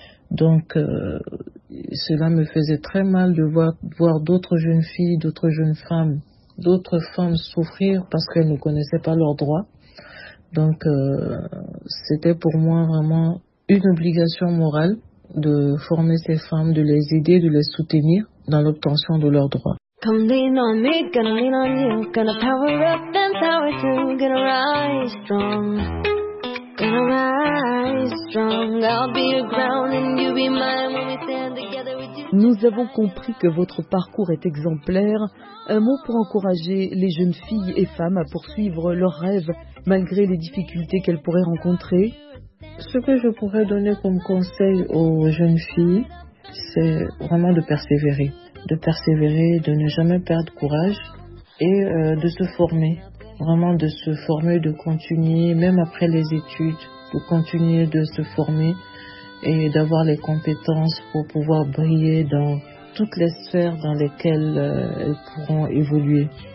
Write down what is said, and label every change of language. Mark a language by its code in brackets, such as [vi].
[fr] Donc, cela me faisait très mal de voir d'autres jeunes filles, d'autres jeunes femmes, d'autres femmes souffrir parce qu'elles ne connaissaient pas leurs droits. Donc, c'était pour moi vraiment une obligation morale de former ces femmes, de les aider, de les soutenir dans l'obtention de leurs droits. [en] Come lean on me, gonna lean on you, gonna power up and power through, gonna rise strong, gonna rise strong, I'll be your ground and you'll be mine when we stand together with you. [fr] Nous avons compris que votre parcours est exemplaire. Un mot pour encourager les jeunes filles et femmes à poursuivre leurs rêves malgré les difficultés qu'elles pourraient rencontrer? Ce que je pourrais donner comme conseil aux jeunes filles, c'est vraiment de persévérer, de ne jamais perdre courage et de se former, vraiment de se former, de continuer, même après les études, de continuer de se former et d'avoir les compétences pour pouvoir briller dans toutes les sphères dans lesquelles elles pourront évoluer.